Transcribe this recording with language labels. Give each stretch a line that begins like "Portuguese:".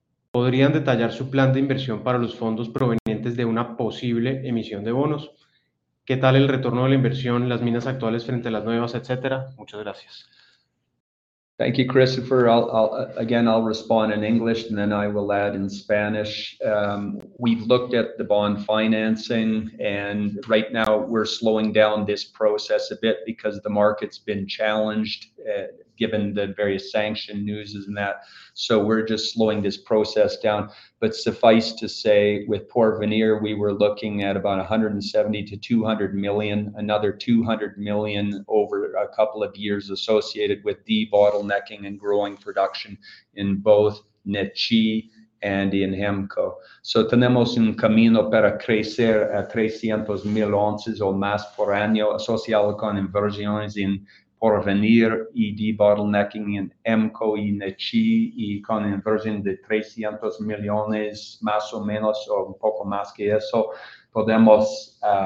Spanish: ¿Podrían detallar su plan de inversión para los fondos provenientes de una posible emisión de bonos? ¿Qué tal el retorno de la inversión, las minas actuales frente a las nuevas, etcétera? Muchas gracias.
English: Thank you, Christopher. I'll respond in English and then I will add in Spanish. We've looked at the bond financing and right now we're slowing down this process a bit because the market's been challenged given the various sanction news and that. So we're just slowing this process down. But suffice to say, with Porvenir, we were looking at about 170 to 200 million, another 200 million over a couple of years associated with de-bottlenecking and growing production in both Nechí and in Hemco.
Spanish: So tenemos un camino para crecer a 300 mil ounces o más por año asociado con inversiones en Porvenir y de-bottlenecking en Hemco y Nechí y con inversión de 300 millones más o menos o un poco más que eso, podemos